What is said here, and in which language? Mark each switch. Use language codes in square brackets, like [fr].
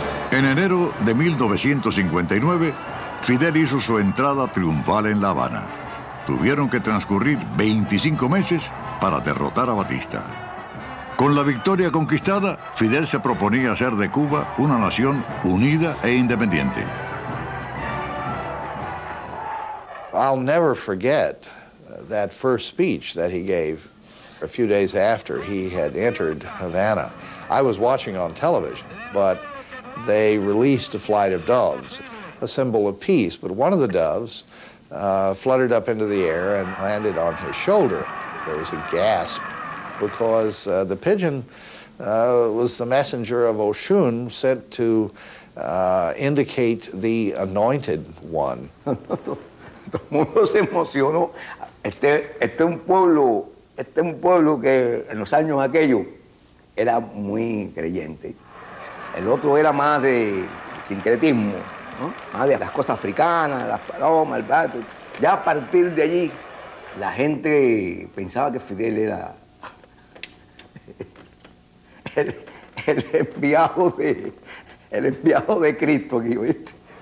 [es] En enero de 1959, Fidel hizo su entrada triunfal en La Habana. Tuvieron que transcurrir 25 meses para derrotar a Batista. Con la victoria conquistada, Fidel se proponía hacer de Cuba una nación unida e independiente. [en] I'll never forget that first speech that he gave a few days after he had entered Havana. I was watching on television, but they released a flight of doves, a symbol of peace. But one of the doves fluttered up into the air and landed on his shoulder. There was a gasp because the pigeon was the messenger of Oshun sent to indicate the anointed one. [es] Todo el mundo se emocionó. Este es un pueblo que en los años aquellos era muy creyente. El otro era más de sincretismo, ¿no? Más de las cosas africanas, las palomas, el pato. Ya a partir de allí, la gente pensaba que Fidel era el enviado de Cristo aquí, ¿viste?